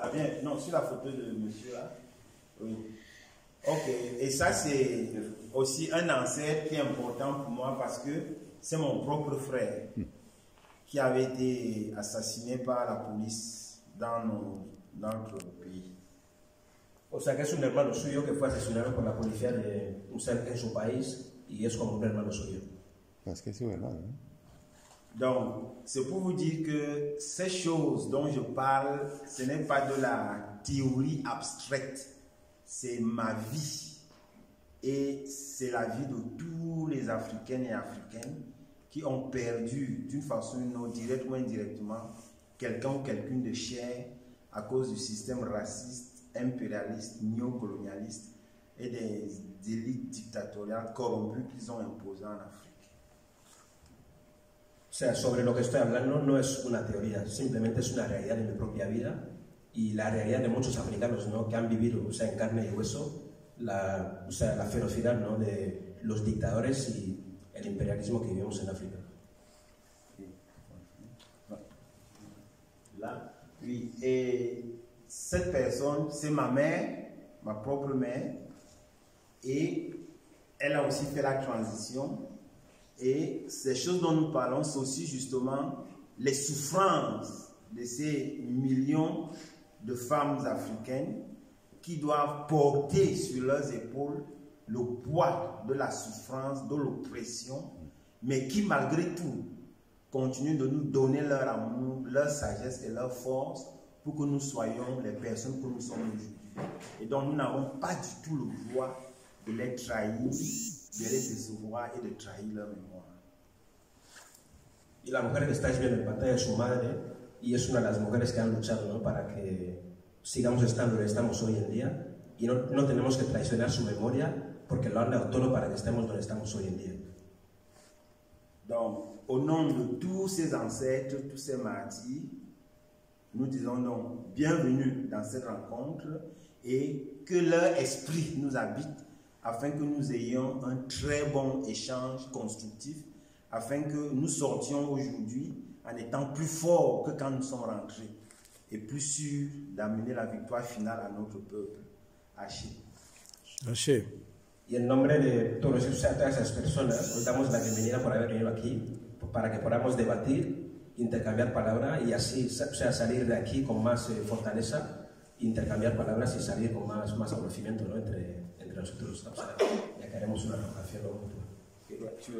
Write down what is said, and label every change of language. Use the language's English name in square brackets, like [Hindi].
[French] Ah, bien, non, sur la photo de monsieur là. Oui. Ok, et ça c'est aussi un ancêtre qui est important pour moi parce que c'est mon propre frère qui avait été assassiné par la police dans, nos, dans notre pays. [Spanish] O sea que es un hermano suyo que fue asesinado por la policía de Usel en su país y es como un hermano suyo. [French] Parce que c'est un hermano. Donc, c'est pour vous dire que ces choses dont je parle, ce n'est pas de la théorie abstraite. C'est ma vie et c'est la vie de tous les Africaines et Africaines qui ont perdu d'une façon ou d'une autre, directe ou indirectement, quelqu'un ou quelqu'une de chair à cause du système raciste, impérialiste, néocolonialiste et des élites dictatoriales corrompues qu'ils ont imposées en Afrique. [Spanish] O sea, sobre lo que estoy hablando no es una teoría, simplemente es una realidad de mi propia vida. Y la realidad de muchos africanos, ¿no?, que han vivido, o sea, en carne y hueso, la, o sea, la ferocidad, ¿no?, de los dictadores y el imperialismo que vivimos en África. [French] La oui, cette personne, c'est ma mère, ma propre mère, et elle a aussi fait la transition, et ces choses dont nous parlons, c'est aussi justement les souffrances de ces millions de femmes africaines qui doivent porter sur leurs épaules le poids de la souffrance, de l'oppression, mais qui malgré tout continuent de nous donner leur amour, leur sagesse et leur force pour que nous soyons les personnes que nous sommes aujourd'hui. Et donc nous n'avons pas du tout le droit de les trahir, de les décevoir et de trahir leur mémoire. [Spanish] Et la mujer que está viviendo en batalla es su madre. Y es una de las mujeres que han luchado, ¿no?, para que sigamos estando donde estamos hoy en día. Y no tenemos que traicionar su memoria porque lo han dado todo para que estemos donde estamos hoy en día. [French] Donc, au nom de tous ces ancêtres, tous ces martyrs, Nous disons donc bienvenue dans cette rencontre et que leur esprit nous habite afin que nous ayons un très bon échange constructif, afin que nous sortions aujourd'hui en étant plus forts que quand nous sommes rentrés et plus sûrs d'amener la victoire finale à notre peuple. Haché. [Spanish] Y en nombre de todos esas personas, nos damos la bienvenida por haber venido aquí, para que podamos debatir, intercambiar palabras y así, o sea, salir de aquí con más fortaleza, intercambiar palabras y salir con más conocimiento, ¿no? entre nosotros. O sea, ya que haremos una relación.